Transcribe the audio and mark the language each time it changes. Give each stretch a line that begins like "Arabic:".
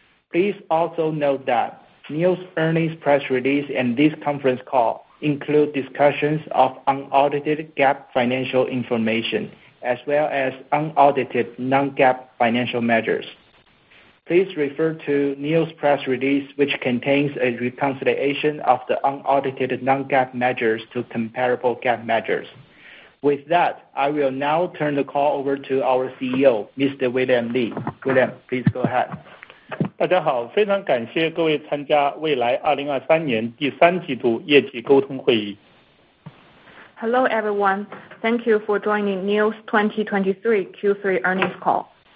English: Please also note that Nio's earnings press release and this conference call include discussions of unaudited GAAP financial information, as well as unaudited non-GAAP financial measures. Please refer to Nio's press release, which contains a reconciliation of the unaudited non-GAAP measures to comparable GAAP measures. With that, I will now turn the call over to our CEO, Mr. William Li. William, please go ahead.
Chinese: 大家好,非常感谢各位参加未来2023年第三季度业绩沟通会议。
English: Hello everyone, thank you for joining Nio's 2023 Q3 earnings call.